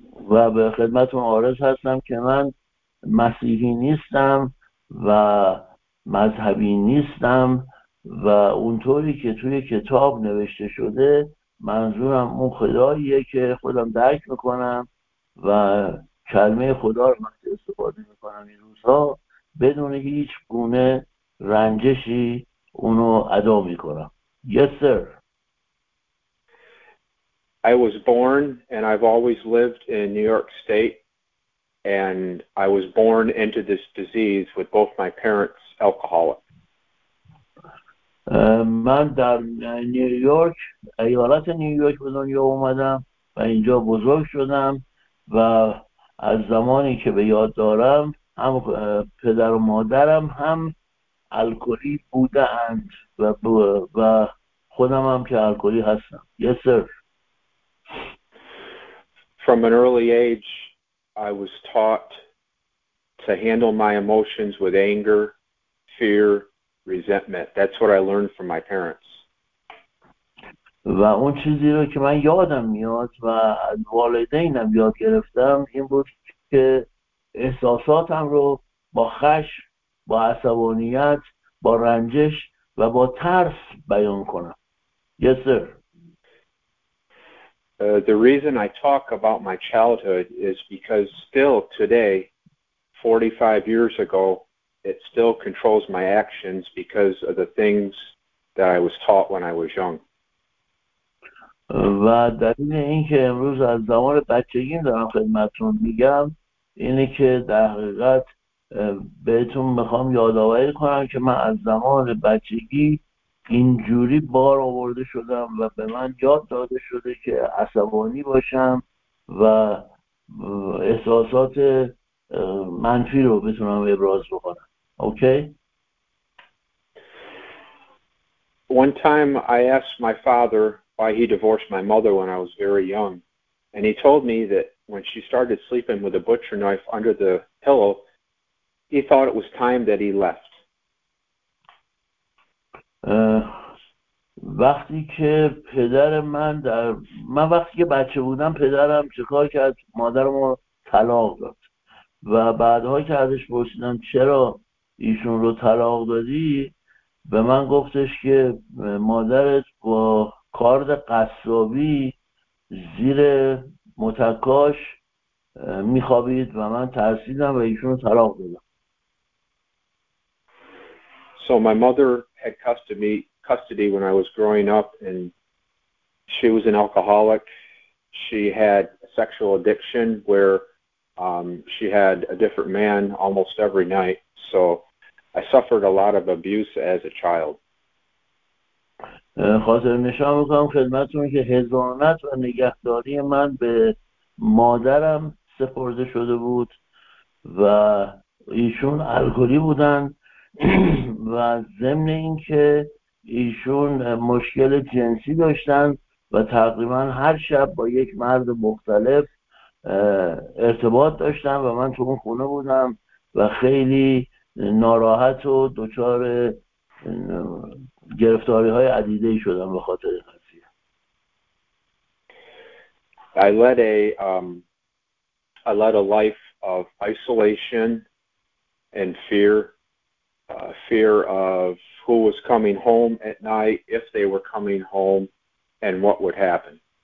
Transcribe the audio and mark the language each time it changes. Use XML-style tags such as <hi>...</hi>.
<fa>و به خدمتون عارض هستم که من مسیحی نیستم و مذهبی نیستم و اونطوری که توی کتاب نوشته شده منظورم اون خداییه که خودم درک میکنم و کلمه خدا رو من استفاده میکنم این روزها بدون هیچ گونه رنجشی اونو ادا میکنم.</fa> <en>Yes, sir. I was born and I've always lived in New York State, and I was born into this disease with both my parents alcoholic.</en> <fa>من در نیویورک، ایالت نیویورک به دنیا اومدم و اینجا بزرگ شدم و از زمانی که به یاد دارم هم پدر و مادرم هم الکلی بودند و خودم هم که الکلی هستم.</fa> <en>Yes, sir. From an early age, I was taught to handle my emotions with anger, fear, resentment. That's what I learned from my parents.</en> <fa>و اون چیزی رو که من یادم میاد و از والدینم یاد گرفتم این بود که احساساتم رو با خشم، با عصبانیت، با رنجش و با ترس بیان کنم.</fa> <en>Yes, sir. The reason I talk about my childhood is because still today, 45 years ago, it still controls my actions because of the things that I was taught when I was young.</en> <fa>و دلیل اینکه امروز از زمان بچگی دارم خدمتتون میگم اینه که در حقیقت بهتون میخوام یادآوری کنم که من از زمان بچگی اینجوری بار آورده شدم و به من یاد داده شده که عصبانی باشم و احساسات منفی رو بتونم ابراز بکنم. اوکی؟</fa> <en>One time I asked my father why he divorced my mother when I was very young, and he told me that when she started sleeping with a butcher knife under the pillow, he thought it was time that he left.</en> <fa>وقتی که پدر من در من وقتی که بچه بودم پدرم چیکار کرد؟ مادرم رو طلاق داد و بعدها که ازش پرسیدم چرا ایشون رو طلاق دادی به من گفتش که مادرت با کارد قصابی زیر متکاش میخوابید و من ترسیدم و ایشون رو طلاق دادم.</fa> <en>So my mother had custody when I was growing up, and she was an alcoholic. She had a sexual addiction where she had a different man almost every night. So I suffered a lot of abuse as a child.</en> <fa>خاطر نشان میکنم خدمتون که حضانت و نگهداری من به مادرم سپرده شده بود و ایشون الکلی بودن و ضمن اینکه ایشون مشکل جنسی داشتن و تقریبا هر شب با یک مرد مختلف ارتباط داشتن و من تو اون خونه بودم و خیلی ناراحت و دچار گرفتاری های عدیده شدم به خاطر این قضیه.</fa> <en>I led a life of isolation and fear. Fear of who was coming home at night, if they were coming home, and what would happen.</en>